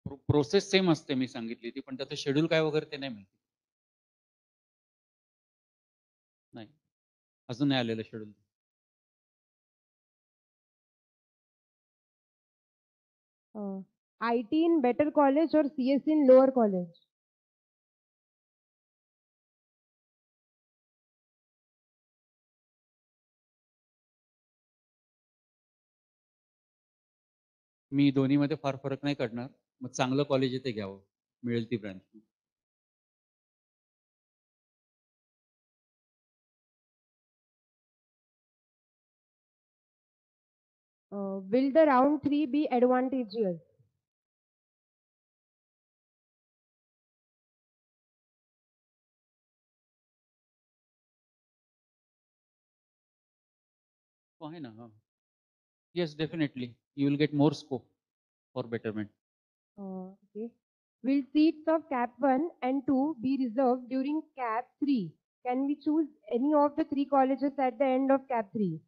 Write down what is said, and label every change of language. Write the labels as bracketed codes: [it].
[en] Process same [mr] असते मी सांगितली ती पण त्याचं शेड्यूल काय वगैरे ते नाही मिळत नाही अजून नाही आलेलं schedule [en] IT in better college और CSC in lower college [mr] मी दोन्ही मध्ये फार फरक नाही करणार मग चांगलं कॉलेज येते घ्यावं मिळेल ती ब्रँच [en] will the round 3 be advantageous [mr] आहे ना हा [en] Yes definitely you will get more scope for betterment. Will seats of cap 1 and 2 be reserved during cap 3? Can we choose any of the three colleges at the end of cap 3?